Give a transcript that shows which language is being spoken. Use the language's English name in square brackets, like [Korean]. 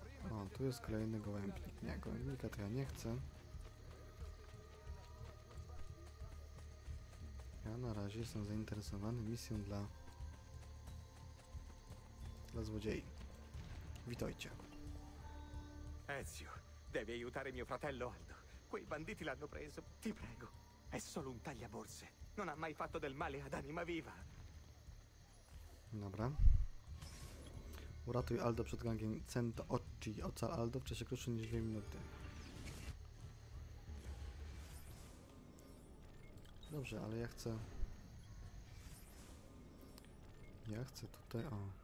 [Polish] O, tu jest kolejny gołębnik. Nie, gołębnika to ja nie chcę. Ja na razie jestem zainteresowany misją dla złodziei. Witajcie. [Italian] Ezio, devi aiutare mio fratello Aldo. Quei banditi l'hanno preso, ti prego. È solo un tagliaborse. Non ha mai fatto del male ad anima viva. [Polish] Dobra. Uratuj Aldo przed gangiem Cento Occi. Ocal Aldo w czasie krótszym niż 2 minuty. Dobrze, ale ja chcę... Ja chcę tutaj, o.